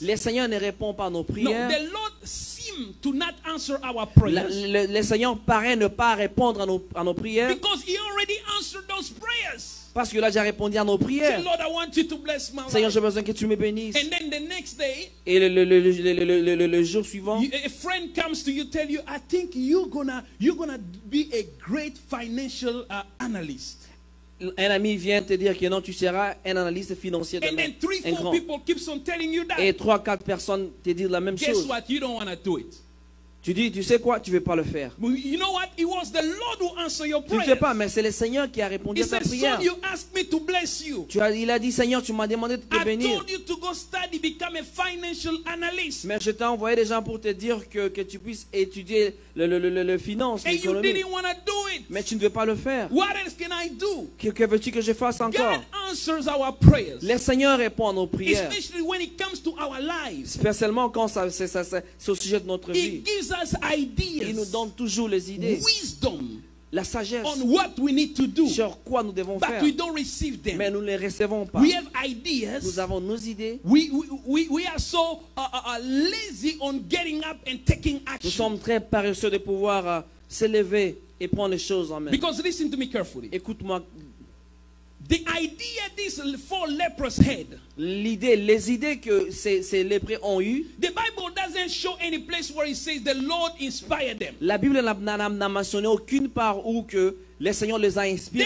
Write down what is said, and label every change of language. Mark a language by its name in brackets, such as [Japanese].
[French] Le Seigneur ne répond pas à nos prières. [English] No, the Lord seems to not answer our prayers. [French] Le Seigneur paraît ne pas répondre à nos prières. [English] Because he already answered those prayers. [French] Parce que là, j'ai répondu à nos prières. [English] Say, Lord, I want you to bless my life. [French] Seigneur, j'ai besoin que tu me bénisses. [English] And then the next day, [French] et le jour suivant, [English] a friend comes to you, tell you, I think you're gonna be a great financial analyst. [French] Un ami vient te dire que non, tu seras un analyste financier demain. [English] And then 3-4 people keeps on telling you that. [French] Et 3-4 personnes te disent la même [English] Guess [French] chose. [English] What? You don't wanna do it. [French] Tu dis, tu sais quoi, tu ne veux pas le faire. [English] You know what? It was the Lord who answered your prayers. [French] Tu ne sais pas, mais c'est le Seigneur qui a répondu [English] He [French] à ta [English] said, [French] prière. [English] Son, you asked me to bless you. [French] Il a dit, Seigneur, tu m'as demandé de te [English] I [French] bénir. [English] Told you to go study, become a financial analyst. [French] Mais je t'ai envoyé des gens pour te dire que tu puisses étudier le finance, [English] And [French] l'économie. [English] You didn't want to do it. [French] Mais tu ne veux pas le faire. [English] What else can I do? [French] Que veux-tu que je fasse encore? [English] God answers our prayers. [French] Le Seigneur répond à nos prières. [English] Especially when it comes to our lives. [French] Spécialement quand c'est au sujet de notre vie. Il nous donne toujours les idées, [English] wisdom, [French] la sagesse, [English] on what we need to do, [French] sur quoi nous devons [English] but [French] faire. [English] We don't receive them. [French] Mais nous ne les recevons pas. [English] We have ideas. [French] Nous avons nos idées. [English] We are so lazy on getting up and taking action. [French] Nous sommes très paresseux de pouvoir s'élever et prendre les choses en main. [English] Because listen to me carefully. [French] Écoute-moi. [English] The idea these four lepers had. [French] Les idées que ces lépreux ont eu. [English] The Bible doesn't show any place where it says the Lord inspired them. [French] La Bible n'a mentionné aucune part où que le Seigneur les a inspirés.